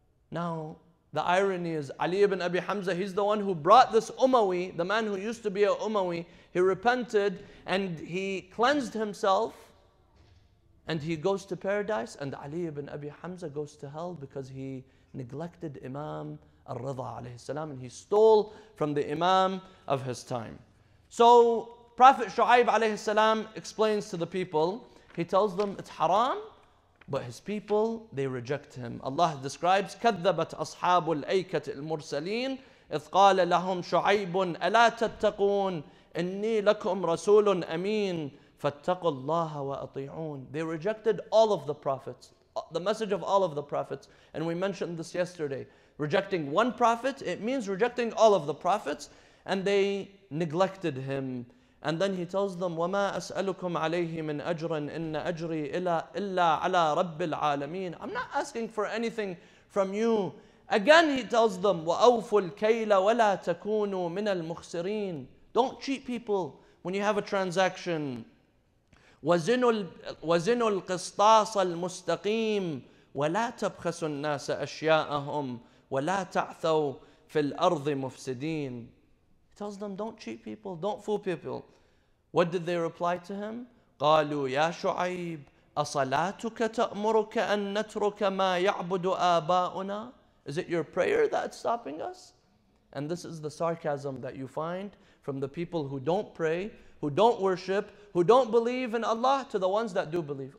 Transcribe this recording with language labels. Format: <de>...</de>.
<en>Now, the irony is Ali ibn Abi Hamza, he's the one who brought this Umawi, the man who used to be an Umawi, he repented and he cleansed himself and he goes to paradise, and Ali ibn Abi Hamza goes to hell because he neglected Imam al-Ridha alayhi salam and he stole from the Imam of his time. So Prophet Shuayb alayhi salam explains to the people, he tells them it's haram, but his people, they reject him.</en> <ar>Allah describes, كَذَّبَتْ أَصْحَابُ الْأَيْكَةِ الْمُرْسَلِينَ إِذْ قَالَ لَهُمْ شُعَيْبٌ أَلَا تَتَّقُونَ إِنِّي لَكُمْ رَسُولٌ أَمِينٌ فَاتَّقُوا اللَّهَ وَأَطِيعُونَ.</ar> <en>They rejected all of the prophets, the message of all of the prophets, and we mentioned this yesterday, rejecting one prophet, it means rejecting all of the prophets, and they neglected him. And then he tells them,</en> <ar>وَمَا أَسْأَلُكُمْ عَلَيْهِ مِنْ أَجْرٍ إِنَّ أَجْرِي إِلَّا عَلَىٰ رَبِّ الْعَالَمِينَ.</ar> <en>I'm not asking for anything from you. Again, he tells them,</en> <ar>وَأَوْفُ الْكَيْلَ وَلَا تَكُونُوا مِنَ الْمُخْسِرِينَ.</ar> <en>Don't cheat people when you have a transaction.</en> <ar>وَزِنُوا الْقِسْطَاسَ الْمُسْتَقِيمِ وَلَا تَبْخَسُوا النَّاسَ أَشْيَاءَهُمْ وَلَا تَعْثَوْا فِي الْأَرْضِ مُفْسِدِينَ.</ar> <en>He tells them, don't cheat people, don't fool people. What did they reply to him?</en> <ar>قَالُوا يَا شُعَيْبُ أَصَلَاتُكَ تَأْمُرُكَ أَن نَتْرُكَ مَا يَعْبُدُ آبَاؤُنَا.</ar> <en>Is it your prayer that's stopping us? And this is the sarcasm that you find from the people who don't pray, who don't worship, who don't believe in Allah, to the ones that do believe.</en>